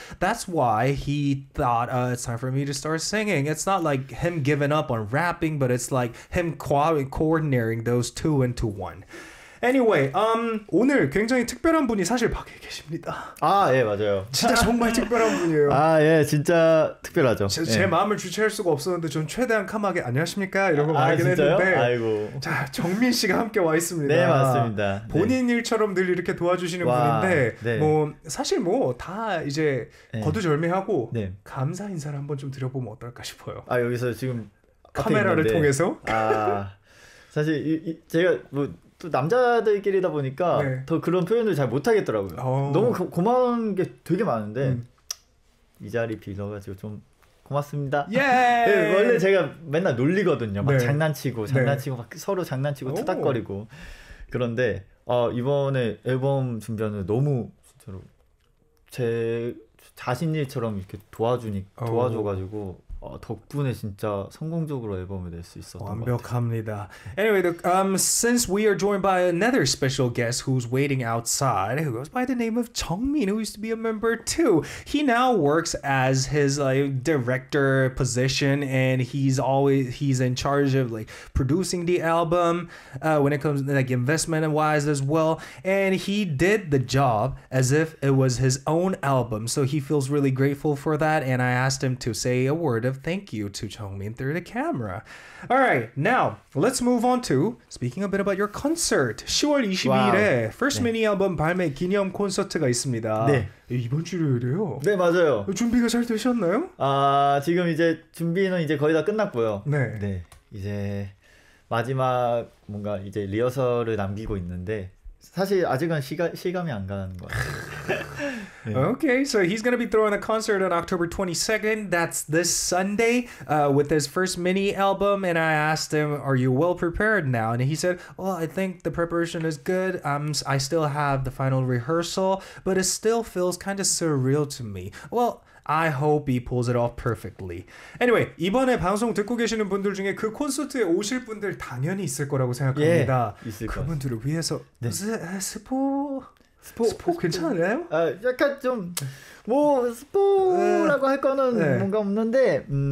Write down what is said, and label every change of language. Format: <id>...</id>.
<en>That's why he thought, it's time for me to start singing. It's not like him giving up on rapping, but it's like him coordinating those two into one. Anyway,</en> <ko>오늘 굉장히 특별한 분이 사실 밖에 계십니다. 아, 예, 맞아요. 진짜 정말 특별한 분이에요. 아, 예, 진짜 특별하죠. 제 마음을 주체할 수가 없었는데 전 최대한 캄하게 안녕하십니까? 이런 거 말하긴 했는데. 아이고. 자, 정민 씨가 함께 와 있습니다. 네, 맞습니다. 본인 네. 일처럼 늘 이렇게 도와주시는 와, 분인데 네. 뭐 사실 뭐 다 이제 네. 거두절미하고 네. 감사 인사를 한번 좀 드려보면 어떨까 싶어요. 아, 여기서 지금 카메라를 통해서? 아, 사실 제가 뭐 또 남자들끼리다 보니까 네. 더 그런 표현을 잘 못하겠더라고요. 너무 고마운 게 되게 많은데 이 자리 빌어가지고 좀 고맙습니다. 예! 네, 원래 제가 맨날 놀리거든요. 막 네. 장난치고 네. 막 서로 장난치고 투닥거리고. 그런데 이번에 앨범 준비하는 너무 진짜로 제 자신일처럼 이렇게 도와줘가지고 덕분에 진짜 성공적으로 앨범을 낼 수 있었던 완벽합니다. 것 같아요.</ko> <en>Anyway, since we are joined by another special guest who's waiting outside, who goes by the name of Jeongmin, who used to be a member too. He now works as his director position, and he's in charge of like producing the album when it comes to, like investment wise as well. And he did the job as if it was his own album, so he feels really grateful for that. And I asked him to say a word thank you to Jeongmin through the camera. All right, now let's move on to speaking a bit about your concert.</en> <ko>10월 22일에</ko> <en>first</en> <ko>네. mini album 발매 기념 콘서트가 있습니다. 네. 이번 주요일이에요. 네, 맞아요. 준비가 잘 되셨나요? 지금 이제 준비는 이제 거의 다 끝났고요. 네. 네. 이제 마지막 뭔가 이제 리허설을 남기고 있는데 사실 아직은 실감이 안 가는 것 같아요.</ko> <en>네. Okay, so he's going to be throwing a concert on October 22nd. That's this Sunday with his first mini album. And I asked him, are you well prepared now? And he said, well, I think the preparation is good. I still have the final rehearsal, but it still feels kind of surreal to me. Well, I hope he pulls it off perfectly. Anyway,</en> <ko>이번에 방송 듣고 계시는 분들 중에 그 콘서트에 오실 분들 당연히 있을 거라고 생각합니다. 예, 있을 거. 그분들을 위해서 네. 스포 괜찮아요? 약간 좀 뭐 스포라고 할 거는 네. 뭔가 없는데</ko>